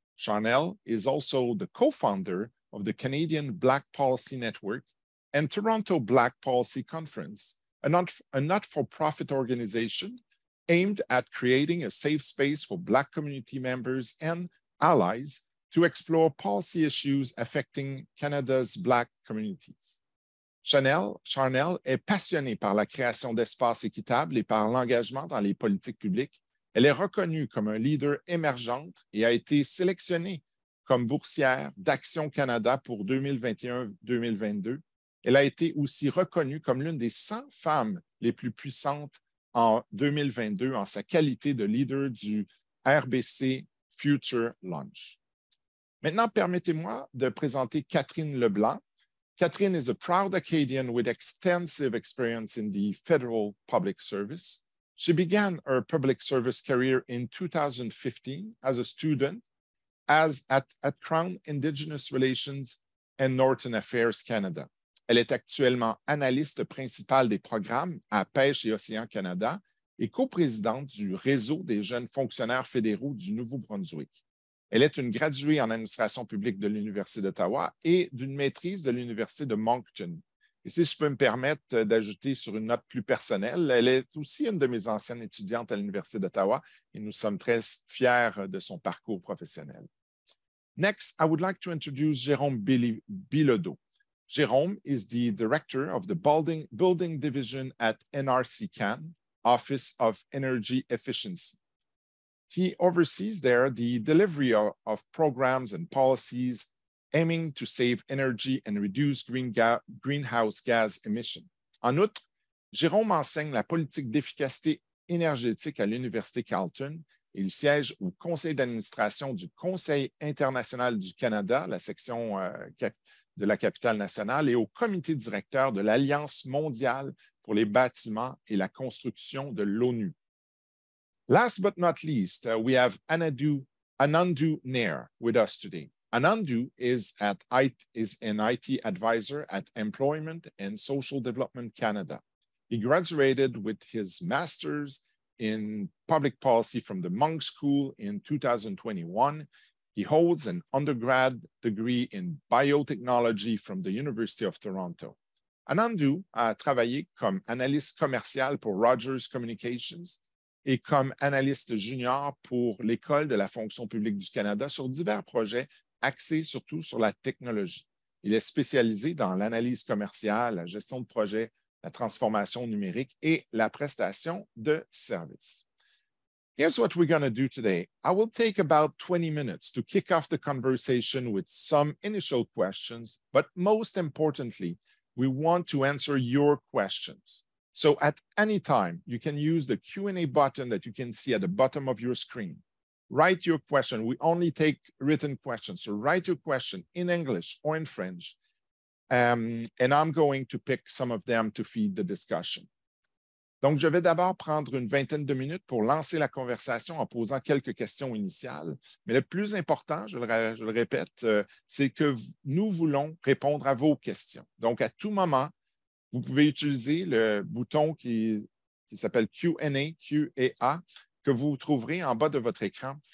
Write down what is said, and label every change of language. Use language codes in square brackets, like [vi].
[en] Charnel is also the co-founder of the Canadian Black Policy Network and Toronto Black Policy Conference, a not-for-profit organization aimed at creating a safe space for Black community members and allies to explore policy issues affecting Canada's Black communities. [fr] Charnel est passionnée par la création d'espaces équitables et par l'engagement dans les politiques publiques. Elle est reconnue comme un leader émergente et a été sélectionnée comme boursière d'Action Canada pour 2021-2022. Elle a été aussi reconnue comme l'une des 100 femmes les plus puissantes en 2022 en sa qualité de leader du RBC Future Launch. Maintenant, permettez-moi de présenter Catherine Leblanc. Catherine is a proud Acadian with extensive experience in the federal public service. She began her public service career in 2015 as a student at Crown Indigenous Relations and Northern Affairs Canada. Elle est actuellement analyste principale des programmes à Pêche et Océan Canada et coprésidente du réseau des jeunes fonctionnaires fédéraux du Nouveau-Brunswick. Elle est une graduée en administration publique de l'Université d'Ottawa et d'une maîtrise de l'Université de Moncton. Et si je peux me permettre d'ajouter sur une note plus personnelle, elle est aussi une de mes anciennes étudiantes à l'Université d'Ottawa et nous sommes très fiers de son parcours professionnel. [en] Next, I would like to introduce Jérôme Bilodeau. Jérôme is the director of the Building Division at NRCCan, Office of Energy Efficiency. He oversees there the delivery of programs and policies aiming to save energy and reduce greenhouse gas emissions. [fr] En outre, Jérôme enseigne la politique d'efficacité énergétique à l'Université Carleton. Il siège au conseil d'administration du Conseil international du Canada, la section de la capitale nationale, et au comité directeur de l'Alliance mondiale pour les bâtiments et la construction de l'ONU. [en] Last but not least, we have Anandu Nair with us today. Anandu is an IT advisor at Employment and Social Development Canada. He graduated with his master's in public policy from the Monk School in 2021. He holds an undergrad degree in biotechnology from the University of Toronto. [fr] Anandu a travaillé comme analyste commercial pour Rogers Communications et comme analyste junior pour l'École de la fonction publique du Canada sur divers projets axés surtout sur la technologie. Il est spécialisé dans l'analyse commerciale, la gestion de projets, la transformation numérique et la prestation de services. [en] Here's what we're going to do today. I will take about 20 minutes to kick off the conversation with some initial questions, but most importantly, we want to answer your questions. So at any time, you can use the Q&A button that you can see at the bottom of your screen. Write your question. We only take written questions. So write your question in English or in French. And I'm going to pick some of them to feed the discussion. [fr] Donc, je vais d'abord prendre une vingtaine de minutes pour lancer la conversation en posant quelques questions initiales. Mais le plus important, je le répète, c'est que nous voulons répondre à vos questions. Donc, à tout moment, vous pouvez utiliser le bouton qui s'appelle Q&A, Q&A, que vous trouverez en bas de votre écran.